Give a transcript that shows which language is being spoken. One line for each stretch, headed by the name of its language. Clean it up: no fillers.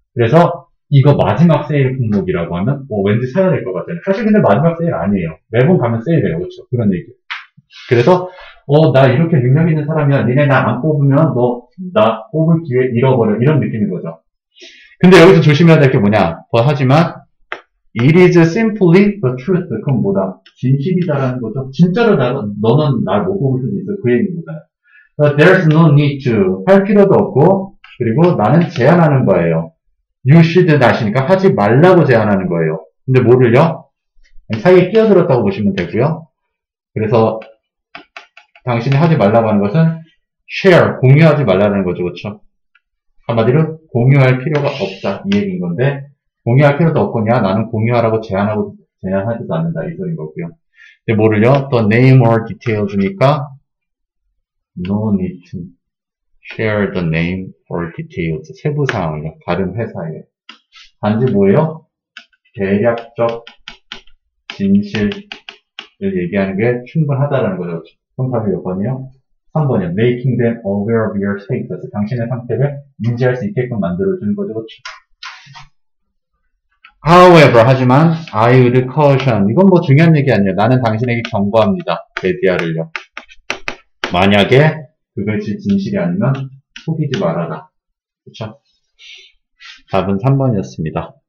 Korean: 그래서 이거 마지막 세일 품목이라고 하면 뭐 왠지 사야 될 것 같아요. 사실 근데 마지막 세일 아니에요. 매번 가면 세일이에요. 그렇죠? 그런 얘기. 그래서 나 이렇게 능력 있는 사람이야. 니네 나 안 뽑으면 너 나 뽑을 기회 잃어버려. 이런 느낌인 거죠. 근데 여기서 조심해야 될 게 뭐냐.
English: 하지만 It is simply the truth.
Korean: 그건 뭐다? 진실이다라는 거죠. 진짜로 너는 날 못 뽑을 수도 있어. 그 얘기인 거다.
English: There's no need to.
Korean: 할 필요도 없고. 그리고 나는 제안하는 거예요.
English: You should not
Korean: 이니까 하지 말라고 제안하는 거예요. 근데 뭐를요? 사이에 끼어들었다고 보시면 되고요. 그래서 당신이 하지 말라고 하는 것은 share, 공유하지 말라는 거죠. 그렇죠? 한마디로 공유할 필요가 없다. 이 얘기인 건데 공유할 필요도 없거냐? 나는 공유하라고 제안하지도 않는다. 이 소린 거고요. 근데 뭐를요?
English: The name or detail
Korean: 주니까
English: No need to share the name or details.
Korean: 세부 사항이요. 다른 회사에. 단지 뭐예요? 대략적 진실을 얘기하는 게 충분하다라는 거죠. 정답이 몇 번이요? 3번이요.
English: Making them aware of your status.
Korean: 당신의 상태를 인지할 수 있게끔 만들어주는 거죠. 그렇죠?
English: However,
Korean: 하지만,
English: I will caution.
Korean: 이건 뭐 중요한 얘기 아니에요. 나는 당신에게 경고합니다. 데디아를요. 만약에 그것이 진실이 아니면 속이지 말아라. 그쵸? 답은 3번이었습니다.